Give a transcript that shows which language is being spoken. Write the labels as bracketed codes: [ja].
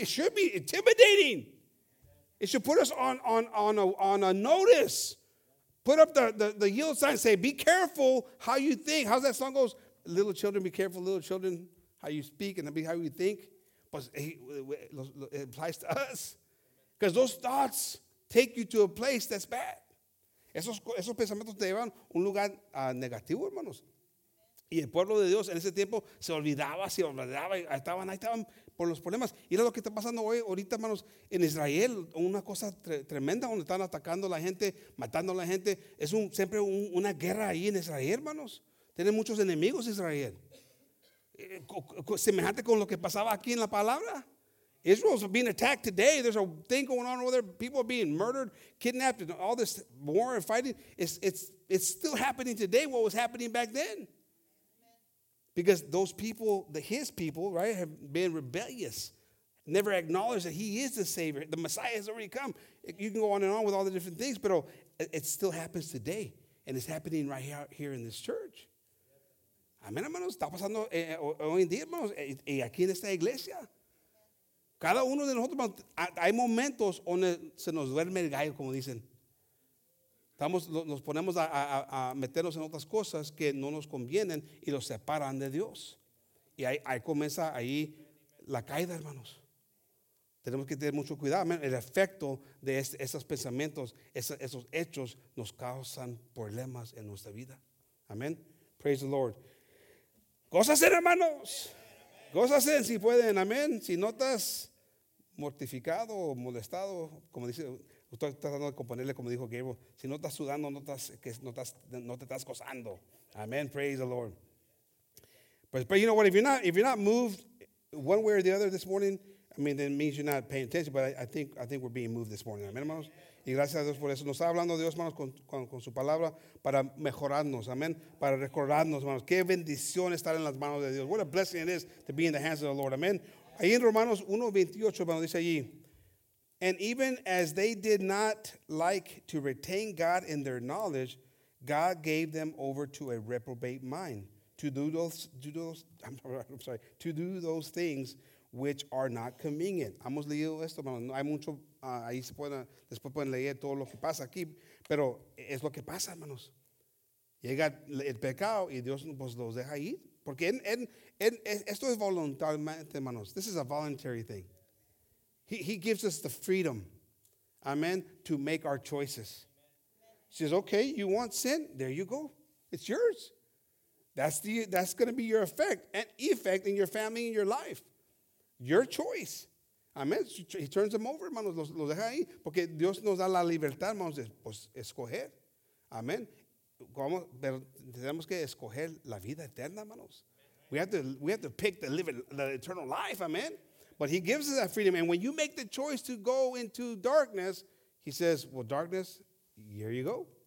[en] It should be intimidating. It should put us on a notice. Put up the yield sign. Say, be careful how you think. How's that song goes? Little children, be careful, little children, how you speak and be how you think. But it applies to us. Because those thoughts take you to a place that's bad. [es] Esos pensamientos te llevan a un lugar negativo, hermanos. Y el pueblo de Dios en ese tiempo se olvidaba, estaban por los problemas. Y era lo que está pasando hoy, ahorita, hermanos, en Israel, una cosa tremenda, donde están atacando a la gente, matando a la gente. Es siempre una guerra ahí en Israel, hermanos. Tienen muchos enemigos Israel. Semejante con lo que pasaba aquí en la palabra. [en] Israel's being attacked today. There's a thing going on over there. People are being murdered, kidnapped, and all this war and fighting. It's still happening today, what was happening back then. Because those people, his people, right, have been rebellious, never acknowledged that he is the Savior. The Messiah has already come. You can go on and on with all the different things, but it still happens today. And it's happening right here in this church. [es] Amén, hermanos. Está pasando hoy en día, hermanos, y aquí en esta iglesia. Cada uno de nosotros, hay momentos donde se nos duerme el gallo, como dicen. Nos ponemos a meternos en otras cosas que no nos convienen y los separan de Dios. Y ahí comienza ahí la caída, hermanos. Tenemos que tener mucho cuidado. El efecto de esos pensamientos, esos hechos, nos causan problemas en nuestra vida. Amén. [en] Praise the Lord. [es] Gózase, hermanos. Gózase si pueden. Amén. Si no estás mortificado o molestado, como dice. Estoy tratando de componerle como dijo Gabriel. Si no estás sudando, no te estás gozando. [en] Amen. Praise the Lord. But you know what? If you're not moved one way or the other this morning, I mean, that means you're not paying attention. But I think we're being moved this morning. [es] Amen, hermanos. Y gracias a Dios por eso. Nos está hablando Dios, hermanos, con su palabra para mejorarnos. Amen. Para recordarnos, hermanos. Qué bendición estar en las manos de Dios. [en] What a blessing it is to be in the hands of the Lord. [es] Amen. Ahí en Romanos 1:28, hermanos, dice allí. [en] And even as they did not like to retain God in their knowledge, God gave them over to a reprobate mind to do those things which are not convenient. [es] Hemos leído esto, hermano. No hay mucho ahí se pueden después pueden leer todo lo que pasa aquí, pero es lo que pasa, hermanos. Llega el pecado y Dios pues los deja ir porque en esto es voluntariamente, hermanos. [en] This is a voluntary thing. He gives us the freedom, amen, to make our choices. He says, okay, you want sin? There you go. It's yours. That's going to be your effect in your family, in your life. Your choice. Amen. He turns them over, hermanos. [es] Los deja ahí. Porque Dios nos da la libertad, hermanos, de escoger. Amen. Pero tenemos que escoger la vida eterna, hermanos. [en] We have to pick the eternal life, amen. But he gives us that freedom. And when you make the choice to go into darkness, he says, well, darkness, here you go.